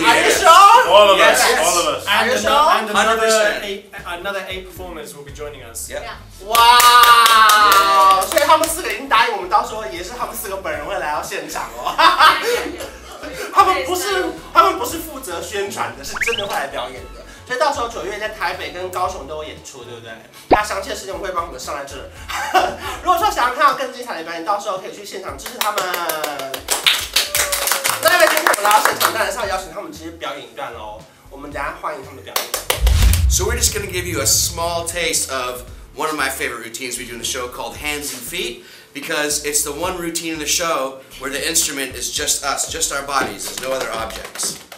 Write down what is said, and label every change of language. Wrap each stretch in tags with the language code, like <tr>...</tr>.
<en>Are you sure? All of us. All of us. Are you sure? And another eight performers will be joining us. Yeah. Wow. So they four have already agreed. We will be the four who will come to the show. They are not responsible for promoting. They are really going to perform.</en> <zh>所以到时候九月在台北跟高雄都有演出，对不对？那详细的时间我会帮你们上在这儿。如果说想要看到更精彩的表演，到时候可以去现场支持他们。那因为今天我们来到现场，当然是要邀请他们直接表演一段喽。我们等一下欢迎他们的表演。</zh> <en>So we're just gonna give you a small taste of one of my favorite routines we do in the show called Hands and Feet. Because it's the one routine in the show where the instrument is just us, just our bodies, there's no other objects.</en>